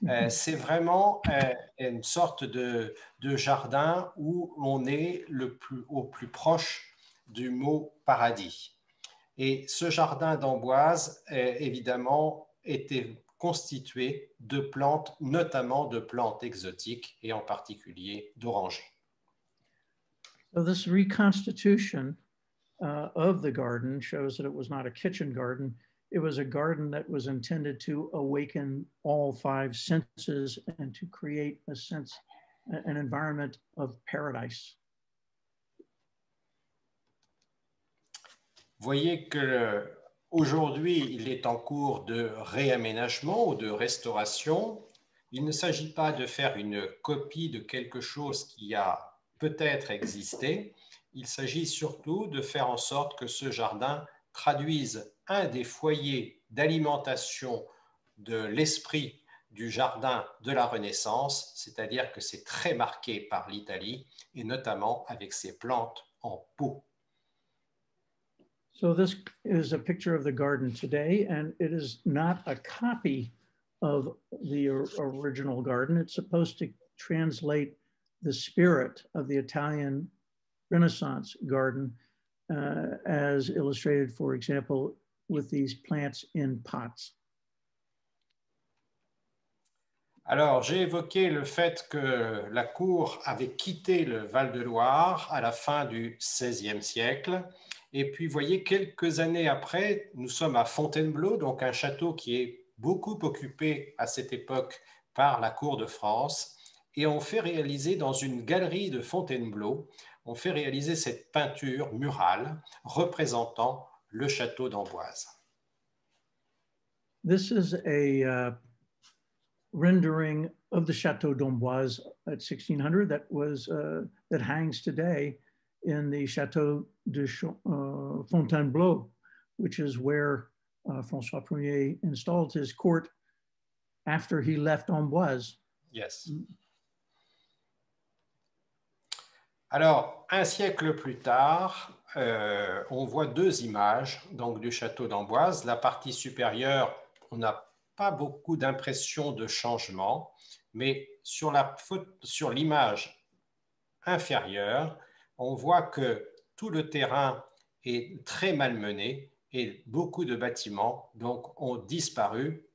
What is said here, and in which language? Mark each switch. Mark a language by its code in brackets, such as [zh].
[fr] C'est vraiment une sorte de jardin où on est au plus proche du mot paradis. Et ce jardin d'Amboise, évidemment, était constitué de plantes, notamment de plantes exotiques, et en particulier d'orangers. [en] So this reconstitution of the garden shows that it was not a kitchen garden. It was a garden that was intended to awaken all five senses and to create a sense, an environment of paradise. [fr] Voyez que aujourd'hui il est en cours de réaménagement ou de restauration. Il ne s'agit pas de faire une copie de quelque chose qui a peut-être existé. Il s'agit surtout de faire en sorte que ce jardin traduise un des foyers d'alimentation de l'esprit du jardin de la Renaissance, c'est-à-dire que c'est très marqué par l'Italie et notamment avec ses plantes en pot. [en] So this is a picture of the garden today, and it is not a copy of the original garden. It's supposed to translate the spirit of the Italian Renaissance garden as illustrated, for example, with these plants in pots. [fr] Alors, j'ai évoqué le fait que la cour avait quitté le Val-de-Loire à la fin du XVIe siècle. Et puis, voyez, quelques années après, nous sommes à Fontainebleau, donc un château qui est beaucoup occupé à cette époque par la cour de France. Et on fait réaliser dans une galerie de Fontainebleau, on fait réaliser cette peinture murale représentant le château d'Amboise. [en] This is a rendering of the Château d'Amboise at 1600 that hangs today in the Château de Fontainebleau, which is where François Premier installed his court after he left Amboise. Yes. [fr] Alors, un siècle plus tard, on voit deux images donc du Château d'Amboise. La partie supérieure, on n'a pas beaucoup d'impression de changement, mais sur l'image inférieure, on voit que tout le terrain est très malmené et beaucoup de bâtiments donc ont disparu.